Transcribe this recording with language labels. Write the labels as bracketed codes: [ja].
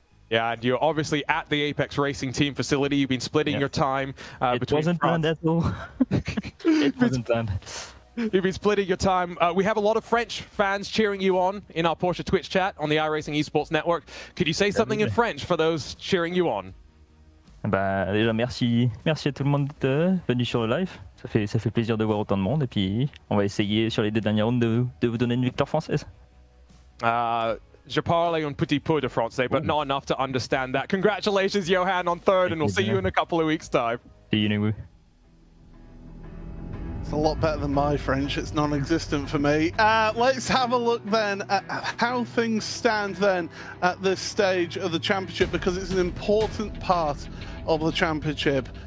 [en] Yeah, and you're obviously at the Apex Racing Team facility. You've been splitting your time between... It wasn't planned at all. You've been splitting your time. We have a lot of French fans cheering you on in our Porsche Twitch chat on the iRacing eSports Network. Could you say something in French for those cheering you on? [fr] Déjà, merci à tout le monde de venir sur le live. Ça fait plaisir de voir autant de monde. Et puis, on va essayer sur les deux dernières rondes de vous donner une victoire française. Je parle un petit peu de français, [en] but not enough to understand that. Congratulations, Johan, on third, and we'll see you in a couple of weeks' time. See you, Nimu. It's a lot better than my French. It's non-existent for me. Let's have a look then at how things stand then at this stage of the championship, because it's an important part of the championship.